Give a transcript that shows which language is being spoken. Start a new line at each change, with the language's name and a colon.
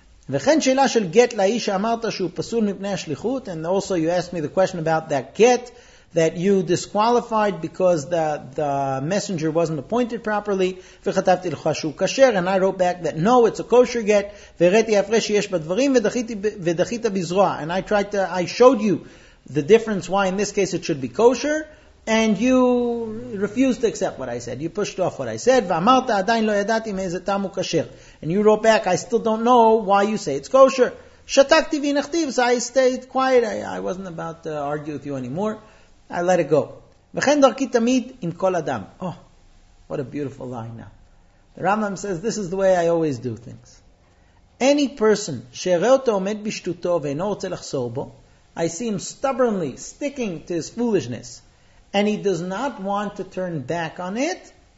Hebrew: וכן שאלה של גט לאיש שאמרת שהוא פסול מפני השליחות,
English: and also you asked me the question about that get that you disqualified because the messenger wasn't appointed properly,
Hebrew: וכתבתי לך שהוא כשר,
English: and I wrote back that no, it's a kosher get,
Hebrew: והראיתי הפרש שיש בדברים, ודחית בזרוע,
English: and I showed you the difference why in this case it should be kosher, and you refused to accept what I said. You pushed off what I said.
Hebrew: ואמרת עדיין לא ידעתי מאיזה טעם הוא כשר.
English: And you wrote back, I still don't know why you say it's kosher.
Hebrew: שתקתי ונכתיב,
English: so I stayed quiet. I wasn't about to argue with you anymore. I let it go.
Hebrew: וכן דרכי תמיד עם כל אדם.
English: Oh, what a beautiful line now. The Rambam says, this is the way I always do things. Any person
Hebrew: שראה אותו עומד בשטותו ואינו רוצה לחסור בו,
English: I see him stubbornly sticking to his foolishness, and he does not want to turn back on it.